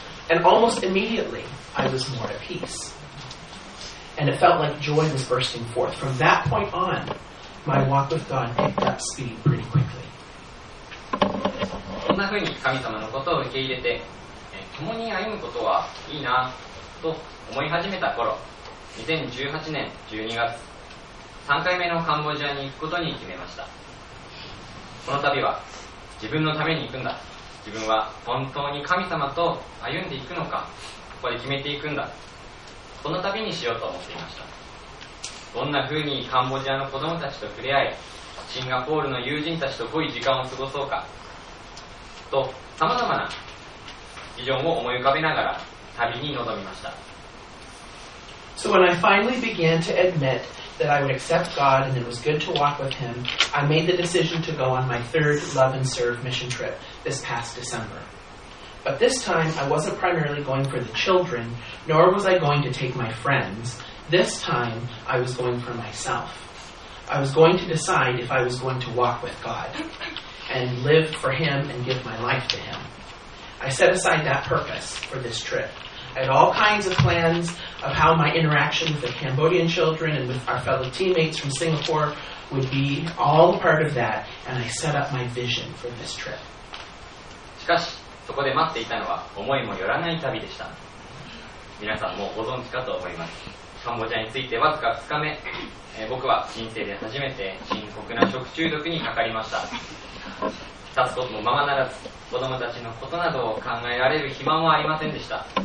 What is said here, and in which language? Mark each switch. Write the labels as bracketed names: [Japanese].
[English] And almost immediately, I was more at peace. And it felt like joy was bursting forth. From that point on, my walk with God picked up speed pretty quickly. [Japanese] こんな風に神様のことを受け入れて、共に歩むことはいいなと思い始めた頃、2018年12月、3回目のカンボジアに行くことに決めました。この旅は自分のために行くんだ。自分は本当に神様と歩んでいくのか、ここで決めていくんだ。この旅にしようと思っていました。どんな風にカンボジアの子供たちと触れ合い、シンガポールの友人たちと濃い時間を過ごそうか、と様々なビジョンを思い浮かべながら旅に臨みました。 [English] So when I finally began to admit that I would accept God and it was good to walk with him, I made the decision to go on my third Love and Serve mission trip this past December. But this time, I wasn't primarily going for the children, nor was I going to take my friends. This time, I was going for myself. I was going to decide if I was going to walk with God and live for him and give my life to him. I set aside that purpose for this trip. I had all kinds of plans of how my interaction with the Cambodian children and with our fellow teammates from Singapore would be all a part of that, and I set up my vision for this trip. [Japanese] しかし、そこで待っていたのは思いもよらない旅でした。皆さんもご存知かと思います。カンボジアについてわずか2日目、僕は人生で初めて深刻な食中毒にかかりました。立つこともままならず、子供たちのことなどを考えられる暇もありませんでした。